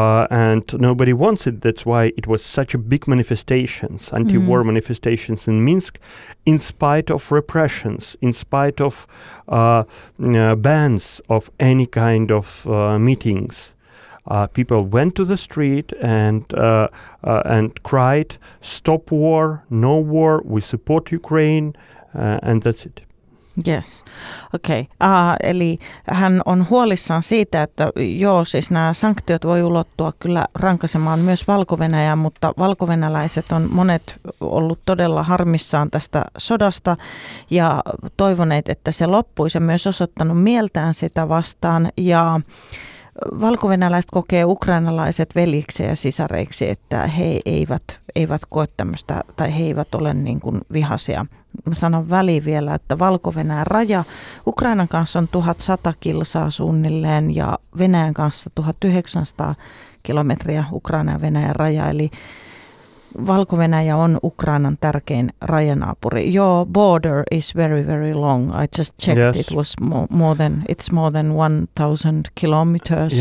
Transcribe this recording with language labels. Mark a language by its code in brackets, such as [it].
[en] And nobody wants it. That's why it was such a big manifestations, anti-war manifestations in Minsk, in spite of repressions, in spite of bans of any kind of meetings. People went to the street and cried, "Stop war, no war, we support Ukraine," and that's it. Yes, okei. Okay. [fi] Eli hän on huolissaan siitä, että joo, siis nämä sanktiot voi ulottua kyllä rankaisemaan myös Valko-Venäjää, mutta valkovenäläiset on monet ollut todella harmissaan tästä sodasta ja toivoneet, että se loppuisi ja myös osoittanut mieltään sitä vastaan. Ja valkovenäläiset kokee ukrainalaiset veljiksi ja sisareiksi, että he eivät koe tämmöistä, tai he eivät ole niin kuin vihaisia. Mä sanon väliin vielä, että Valko-Venäjän raja Ukrainan kanssa on 1100 kilsaa suunnilleen ja Venäjän kanssa 1900 kilometriä Ukraina ja Venäjän raja. Eli Valko-Venäjä on Ukrainan tärkein rajanaapuri. [en] Your border is very, very long. I just checked. Yes. It was more than 1000 kilometers.